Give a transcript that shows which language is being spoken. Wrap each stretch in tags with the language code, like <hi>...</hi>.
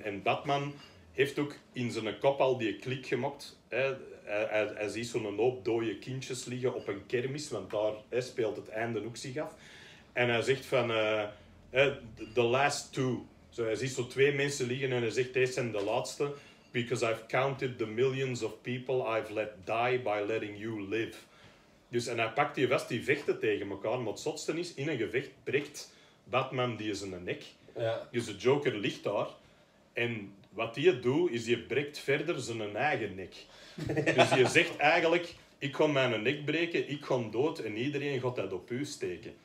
<nl>En Batman heeft ook in zijn kop al die klik gemaakt, hè. Hij ziet zo'n hoop dode kindjes liggen op een kermis, want daar speelt het einde ook zich af. En hij zegt van,</nl> <en>the last two.</en> <nl>So hij ziet zo twee mensen liggen en hij zegt, deze zijn de laatste.</nl> <en>Because I've counted the millions of people I've let die by letting you live.</en> <nl>Dus, en hij pakt die vast, die vechten tegen elkaar. Maar het zotste is, in een gevecht breekt Batman die zijn nek. Ja. Dus de Joker ligt daar. En wat hij doet, is hij breekt verder zijn eigen nek. Ja. Dus je zegt eigenlijk, ik kon mijn nek breken, ik kon dood en iedereen gaat dat op u steken.</nl>